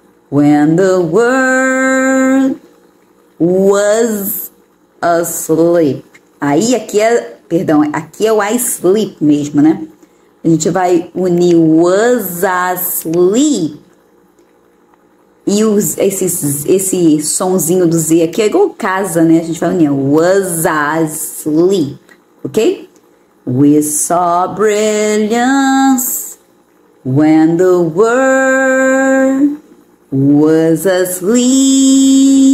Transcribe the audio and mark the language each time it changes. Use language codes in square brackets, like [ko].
[en] When the world was asleep. [pt] Aí, aqui é, perdão, aqui é o [en] I sleep [pt] mesmo, né? A gente vai unir [en] was asleep. [pt] E esse sonzinho do Z aqui é igual casa, né? A gente vai unir [en] was asleep, [pt] ok? [en] We saw brilliance when the world was asleep.